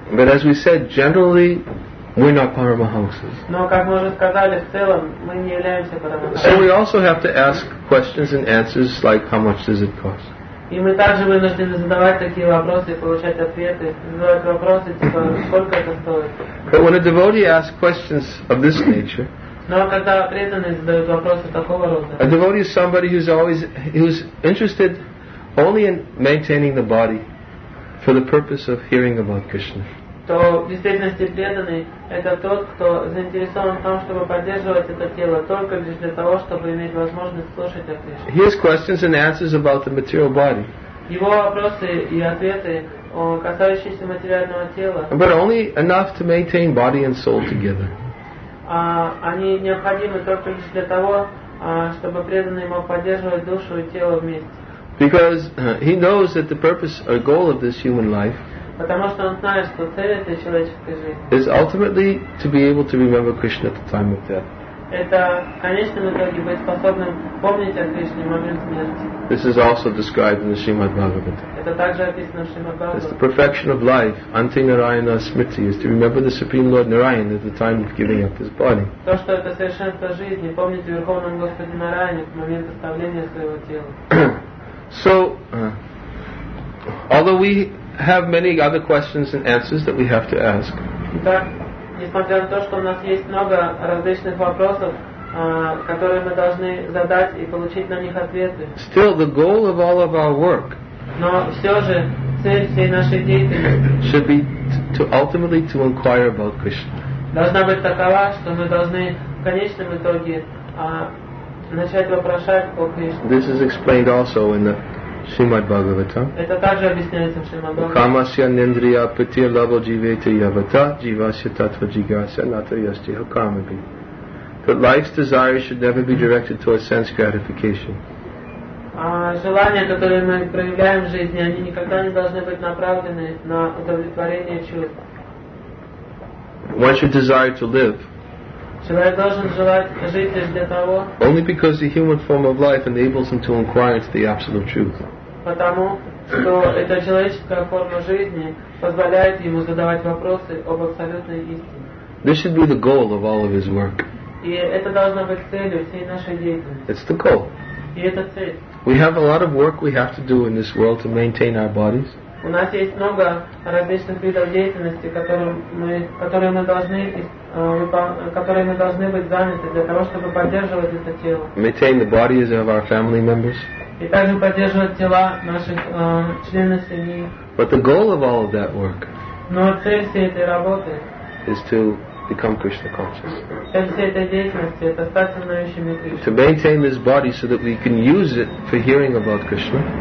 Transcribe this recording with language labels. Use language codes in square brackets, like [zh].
[en] But as we said, generally, we're not paramahansas. [ru] Но как мы уже сказали, в целом мы не являемся парамахансами. [en] So we also have to ask questions and answers like, how much does it cost? [ru] И мы также вынуждены задавать такие вопросы и получать ответы. Задавать вопросы, типа, сколько это стоит? [en] But when a devotee asks questions of this nature, [ru] но когда преданные задают вопросы такого рода, [en] a devotee is somebody who's interested only in maintaining the body for the purpose of hearing about Krishna. [ru] То в действительности преданный это тот, кто заинтересован в том, чтобы поддерживать это тело только лишь для того, чтобы иметь возможность слушать о Кришне. [en] He has questions and answers about the material body. [ru] Его вопросы и ответы касающиеся материального тела. [en] But only enough to maintain body and soul together. [ru] Они необходимы только лишь для того, чтобы преданный мог поддерживать душу и тело вместе. [en] Because he knows that the purpose or goal of this human life. [ru] Потому что он знает, что цель этой человеческой жизни. [en] Is ultimately to be able to remember Krishna at the time of death. [ru] это в конечном итоге быть способным помнить о Кришне в момент смерти. [en] This is also described in the Srimad Bhagavata. [ru] Это также описано в Шримад Бхагаватам. [en] It's the perfection of life, anti Narayana Smriti, is to remember the Supreme Lord Narayana at the time of giving up his body. [ru] То, что это совершенство жизни, помнить о Верховном Господе Нараяне в момент оставления своего тела. [en] So, although we have many other questions and answers that we have to ask, [ru] так, несмотря на то, что у нас есть много различных вопросов, которые мы должны задать и получить на них ответы, [en] still the goal of all of our work, [ru] но все же цель всей нашей деятельности, [en] should be to ultimately to inquire about Krishna. [ru] Должна быть такова, что мы должны в конечном итоге начать вопрошать о Кришне. [en] This is explained also in the Srimad Bhagavata. [ru] Это также объясняется в Шримад Бхагавате. [sa] Камасья нендрия патир лаво дживете явата дживасья татва джигасья ната ястиха камаби. [en] That life's desires should never be directed towards sense gratification. [ru] Желания, которые мы проявляем в жизни, они никогда не должны быть направлены на удовлетворение чувств. [en] One should desire to live. [ru] Человек должен желать жить лишь для того, [en] only because the human form of life enables him to inquire into the absolute truth. [ru] Потому что эта человеческая форма жизни позволяет ему задавать вопросы об абсолютной истине. [en] This should be the goal of all of his work. [ru] И это должно быть целью всей нашей деятельности. [en] It's the goal. [ru] И это цель. [en] We have a lot of work we have to do in this world to maintain our bodies. [ru] У нас есть много различных видов деятельности, которые мы должны быть заняты для того, чтобы поддерживать это тело. [en] Maintain the bodies of our family members. [ru] И также поддерживать тела наших членов семьи. [en] But the goal of all of that work. [ru] Но цель всей этой работы. [en] Is to become Krishna conscious. [ru] Цель всей этой деятельности это стать сознающими Кришной. [en] To maintain this body so that we can use it for hearing about Krishna.